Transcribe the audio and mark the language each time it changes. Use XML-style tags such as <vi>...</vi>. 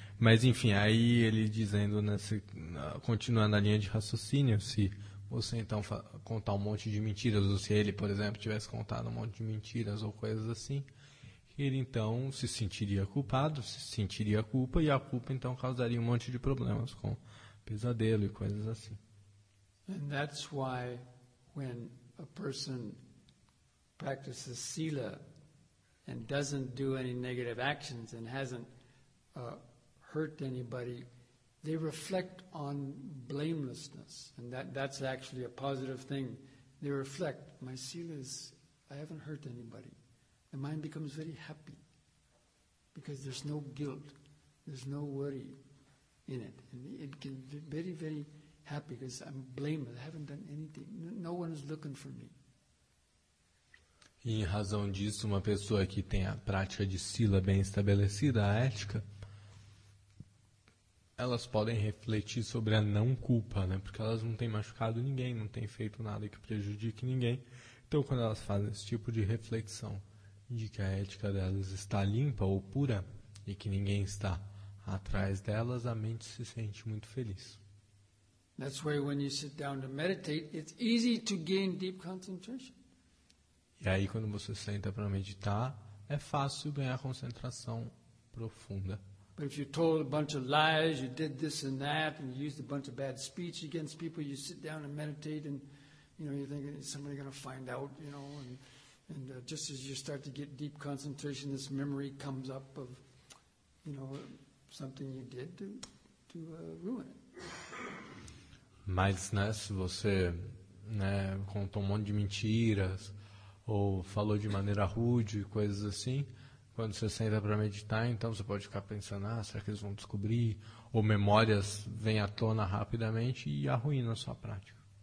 <pt>Mas, enfim, aí ele dizendo, nesse, continuando a linha de raciocínio, se você, então, contar um monte de mentiras, ou se ele, por exemplo, tivesse contado um monte de mentiras ou coisas assim, ele, então, se sentiria culpado, se sentiria culpa, e a culpa, então, causaria um monte de problemas com pesadelo e coisas assim.</pt> <en>And that's why when a person practices sila and doesn't do any negative actions and hasn't hurt anybody, they reflect on blamelessness, and that's actually a positive thing. They reflect, my sila is, I haven't hurt anybody. The mind becomes very happy because there's no guilt, there's no worry in it. And it can be very, very happy because I'm blameless. I haven't done anything. No one is looking for me.</en> <pt>E em razão disso, uma pessoa que tem a prática de sila bem estabelecida, a ética, elas podem refletir sobre a não culpa, né? Porque elas não têm machucado ninguém, não têm feito nada que prejudique ninguém. Então, quando elas fazem esse tipo de reflexão de que a ética delas está limpa ou pura e que ninguém está atrás delas, a mente se sente muito feliz.</pt> <en>That's why when you sit down to meditate, it's easy to gain deep concentration.</en> <pt>E aí, quando você senta para meditar, é fácil ganhar concentração profunda.</pt> <en>But if you told a bunch of lies, you did this and that, and you used a bunch of bad speech against people, you sit down and meditate, and you know, you think, is somebody going to find out, you know, and just as you start to get deep concentration, this memory comes up of, you know, something you did to ruin it.</en> <pt>Mas, né, se você, né, contou um monte de mentiras, ou falou de maneira rude, coisas assim, quando você senta para meditar, então você pode ficar pensando, ah, será que eles vão descobrir? Ou memórias vêm à tona rapidamente e arruinam a sua prática.</pt>